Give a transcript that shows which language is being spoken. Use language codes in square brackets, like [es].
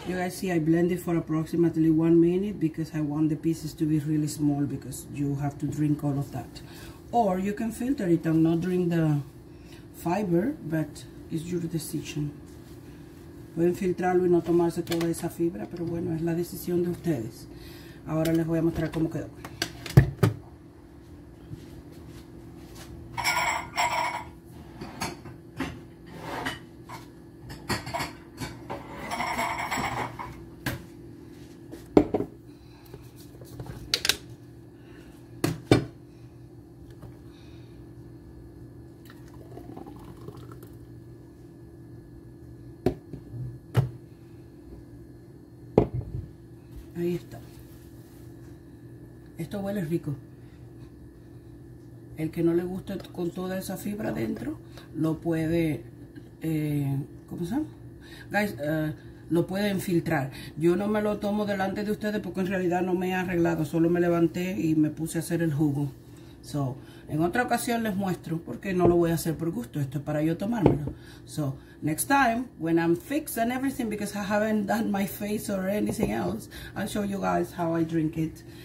[en] See, I blend it for approximately 1 minute because I want the pieces to be really small, because you have to drink all of that. Or you can filter it and not drink the fiber, but it's your decision. [es] Pueden filtrarlo y no tomarse toda esa fibra, pero bueno, es la decisión de ustedes. Ahora les voy a mostrar cómo quedó. Ahí está. Esto huele rico. El que no le guste con toda esa fibra dentro, lo puede, ¿cómo se llama? Guys, lo pueden filtrar. Yo no me lo tomo delante de ustedes porque en realidad no me he arreglado. Solo me levanté y me puse a hacer el jugo. So, en otra ocasión les muestro, porque no lo voy a hacer por gusto. Esto es para yo tomármelo. [en] So, next time, when I'm fixing everything, because I haven't done my face or anything else, I'll show you guys how I drink it.